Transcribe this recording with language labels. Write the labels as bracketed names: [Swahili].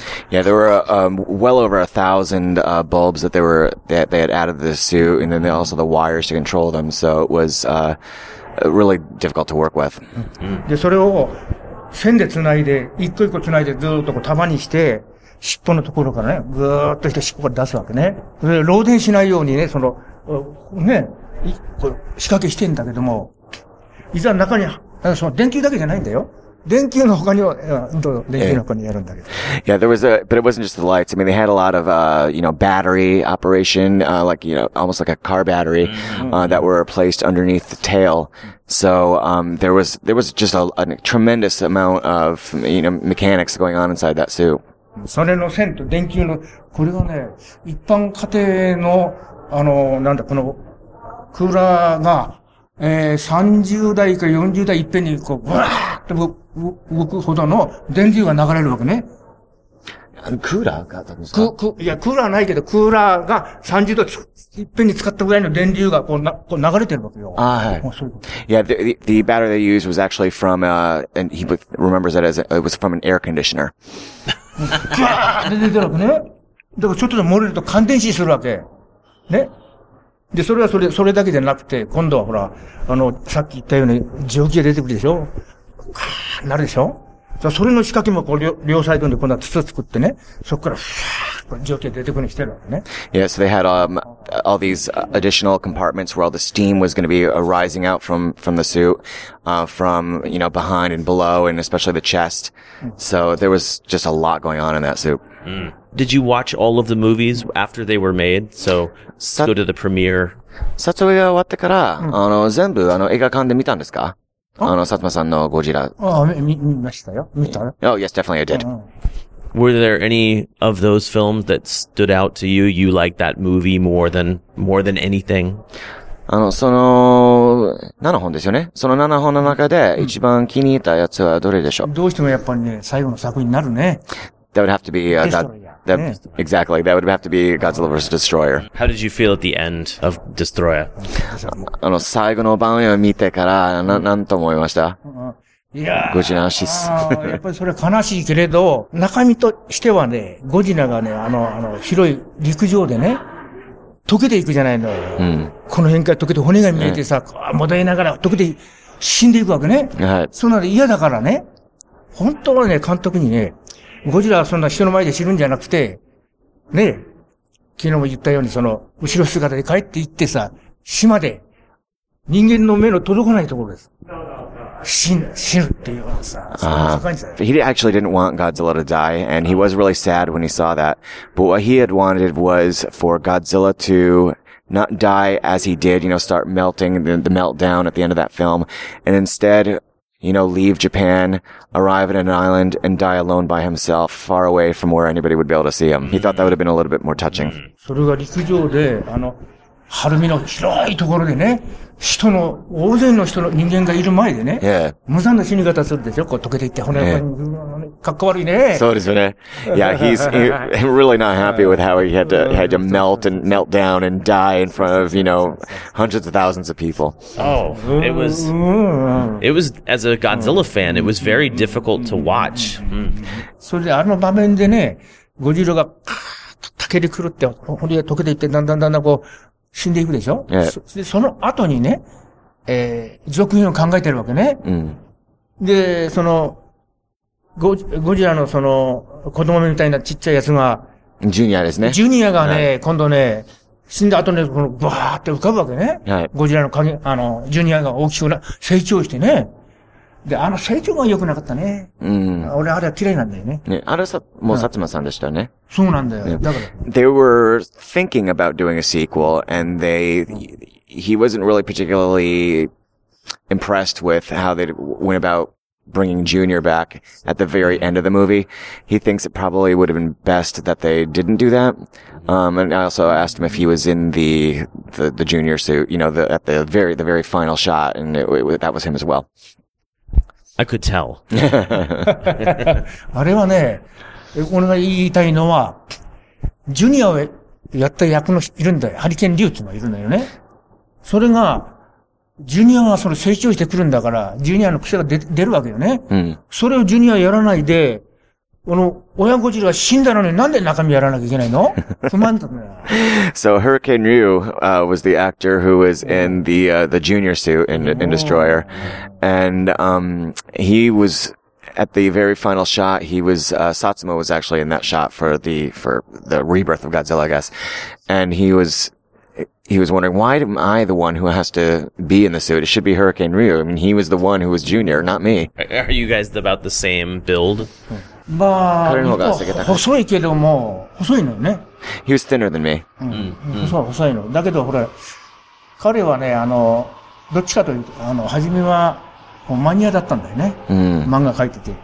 [English] Yeah, there were well over 1,000 bulbs that they had added to the suit, and then also the wires to control them. So it was really difficult to work with. [Japanese] で、それを線でつないで、一個一個つないでずっとこう束にして、尻尾のところからね、ぐーっとして尻尾から出すわけね。で、漏電しないようにね、その、ね、仕掛けしてんだけども、いざ中に、その電球だけじゃないんだよ。電球の他には、どう電球の他にやるんだけど。 [English] Yeah, there was but it wasn't just the lights. I mean, they had a lot of, you know, battery operation, like, you know, almost like a car battery, that were placed underneath the tail. So, there was just a tremendous amount of, you know, mechanics going on inside that suit. [Japanese] それの線と電球の、これがね、一般家庭の、なんだ、このクーラーが、30台か40台いっぺんにこう、ブワーッと動くほどの電流が流れるわけね。クーラーがあったんですか? いや、クーラーないけど、クーラーが30度いっぺんに使ったぐらいの電流がこう流れてるわけよ。ああ、はい。そういうこと。 [English] Yeah, the battery they used was actually from, and he remembers that as it was from an air conditioner. [Japanese] ブワーッと出てるわけね。だからちょっとでも漏れると感電死するわけ。ね。で、それはそれだけじゃなくて、今度はほら、さっき言ったように、蒸気が出てくるでしょ? カーッなるでしょ?それの仕掛けも、こう、両サイドに今度は筒作ってね、そこから、ふぁー、蒸気が出てくるにしてるわけね。 [English] Yeah, so they had, all these additional compartments where all the steam was gonna be arising out from the suit, from, you know, behind and below, and especially the chest. So there was just a lot going on in that suit.、 Mm. Did you watch all of the movies after they were made? So, go to the premiere. [Japanese] 撮影が終わってから、全部、映画館で見たんですか? 薩摩さんのゴジラ。ああ、見ましたよ。見たよ。 [English] Oh, yes, definitely I did. Were there any of those films that stood out to you? You liked that movie more than anything? [Japanese] その、7本ですよね。その7本の中で一番気に入ったやつはどれでしょう、うん、どうしてもやっぱりね、最後の作品になるね。 [English] That would have to be exactly. That would have to be Godzilla vs. Destroyer. How did you feel at the end of Destroyer? [Japanese] あの最後の場面を見てから何と思いました。いやゴジラシス。やっぱりそれは悲しいけれど、中身としてはね、ゴジラがね、あの広い陸上でね、溶けていくじゃないの。うん、この辺から溶けて骨が見えてさ、戻りながら溶けて死んでいくわけね。はい。そんなの嫌だからね。本当はね、監督にね、ゴジラはそんな人の前で死ぬんじゃなくて、ね、昨日も言ったように、その、後ろ姿で帰って行ってさ、島で、人間の目の届かないところです。死ぬっていうのはさ、そこにさ。 [English] He actually didn't want Godzilla to die, and he was really sad when he saw that. But what he had wanted was for Godzilla to... not die as he did, you know, start melting, the meltdown at the end of that film, and instead, you know, leave Japan, arrive at an island, and die alone by himself, far away from where anybody would be able to see him. He thought that would have been a little bit more touching. [Japanese] それが陸上で、あの、晴海の広いところでね、人の、大勢の人の人間がいる前でね、無残な死に方するでしょ、こう溶けていって、骨が、かっこ悪いね。そうですよね。 [English] Yeah, he's really not happy with how he had to melt and melt down and die in front of, you know, hundreds of thousands of people. Oh, it was, as a Godzilla fan, it was very difficult to watch. [Japanese] それで、あの場面でね、ゴジラが、たけり狂って、骨が溶けていって、だんだんこう、死んでいくでしょ、 [English] yeah. [Japanese] その後にね、続編を考えてるわけね。 Mm. で、その、ゴジラのその、子供みたいなちっちゃいやつが、ジュニアですね。ジュニアがね、yeah. 今度ね、死んだ後に、この、ぶわーって浮かぶわけね。 [English] Yeah. [Japanese] ゴジラの影、あの、ジュニアが大きくな、成長してね。で、あの成長が良くなかったね。うん。俺、あれは嫌いなんだよね。ね、あれさ、もう薩摩さんでしたね。そうなんだよ。ね、だから。 [English] They were thinking about doing a sequel, and they, he wasn't really particularly impressed with how they went aboutbringing Junior back at the very end of the movie. He thinks it probably would have been best that they didn't do that. And I also asked him if he was in the Junior suit, you know, at the very final shot, and that was him as well. I could tell. [Japanese] あれはね、俺が言いたいのは、ジュニアをやった役のいるんだよ。ハリケーン・リューってのがいるんだよね。それが、ジュニアがその成長してくるんだから、ジュニアの癖が出るわけよね。うん。それをジュニアやらないで、この、親ゴジラは死んだのになんで中身やらなきゃいけないの不満だったんだよ。 [English] So, Hurricane Ryu, was the actor who was in the junior suit in Destroyer. And, he was, at the very final shot, Satsuma was actually in that shot for the rebirth of Godzilla, I guess. And he was wondering, why am I the one who has to be in the suit? It should be Hurricane Ryu. I mean, he was the one who was junior, not me. Are you guys about the same build? [Japanese] まあ、細いけども、細いのよね。 [English] He was thinner than me. [Japanese] うん。細いの。だけど、ほら、彼はね、どっちかというと、初めは、マニアだったんだよね。うん。漫画描いてて。